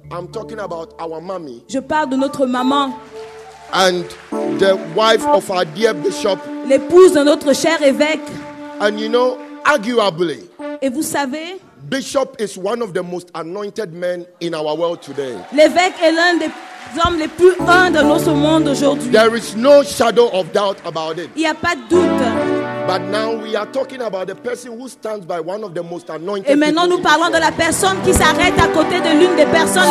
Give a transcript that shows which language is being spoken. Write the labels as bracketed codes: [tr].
[en] I'm talking about our mommy, [fr] je parle de notre maman, [en] and the wife of our dear bishop, [fr] l'épouse de notre cher évêque. [en] And you know, arguably, [fr] et vous savez, [en] bishop is one of the most anointed men in our world today, [fr] l'évêque est l'un des hommes les plus humbles de notre monde aujourd'hui. [en] There is no shadow of doubt about it, [fr] il y a pas de doute. [en] But now we are talking about the person who stands by one of the most anointed. [fr] Et maintenant nous parlons de la personne qui s'arrête à côté de l'une des personnes